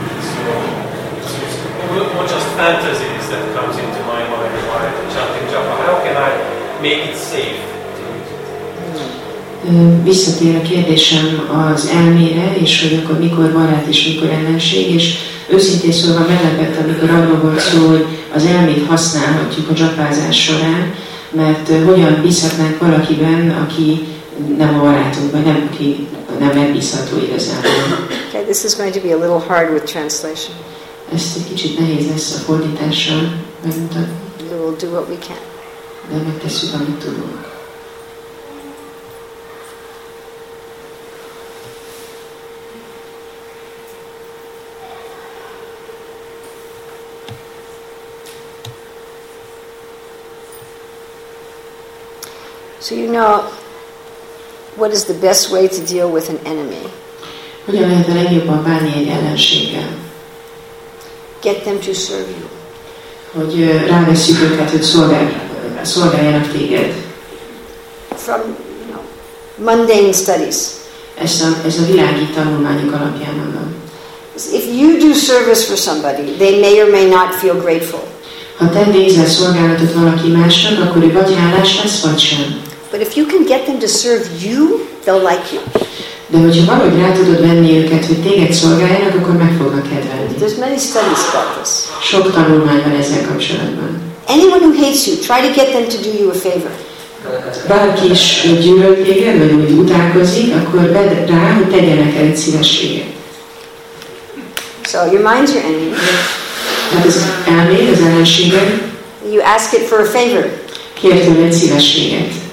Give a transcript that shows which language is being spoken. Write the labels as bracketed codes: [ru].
[en] So it's more just fantasies that comes into my mind while chanting japa. How can I make it safe? [hu] Visszatér a kérdésem az elmére, és hogy akkor mikor barát és mikor ellenség, és őszintén szólva meglepett, amikor arról volt szó, hogy az elmét használhatjuk a japázás során, mert hogyan bízhatnánk valakiben, aki nem a barátunk, vagy nem, aki nem elbízható igazából. [en] Okay, this is going to be a little hard with translation. [hu] Ezt egy kicsit nehéz lesz a fordítással bemutatni. [en] We will do what we can. [hu] De megtesszük, amit tudunk. [en] So you know what is the best way to deal with an enemy? [hu] Hogyan lehet a legjobban bánni egy ellenséggel? [en] Get them to serve you. [hu] Hogy ráveszük őket, hogy szolgáljanak téged. [en] From, you know, mundane studies. [hu] Ez a világi tanulmányok alapján mondom. [en] If you do service for somebody, they may or may not feel grateful. [hu] Ha te nézel szolgálatot valaki másnak, akkor ők hálás lesz, vagy sem. [en] But if you can get them to serve you, they'll like you. [hu] De hogyha valahogy rá tudod venni őket, hogy téged szolgáljanak, akkor meg fognak kedvelni. [en] There's many studies about this. [hu] Sok tanulmány van ezzel kapcsolatban. [en] Anyone who hates you, try to get them to do you a favor. [hu] Bárki is gyűlöl téged, vagy úgy utálkozik, akkor vedd rá, hogy tegyenek el egy szívességet. [en] So your mind's your enemy. [hu] Tehát az elméd, az ellenséged. [en] You ask it for a favor. [hu] Kérd tőle egy szívességet.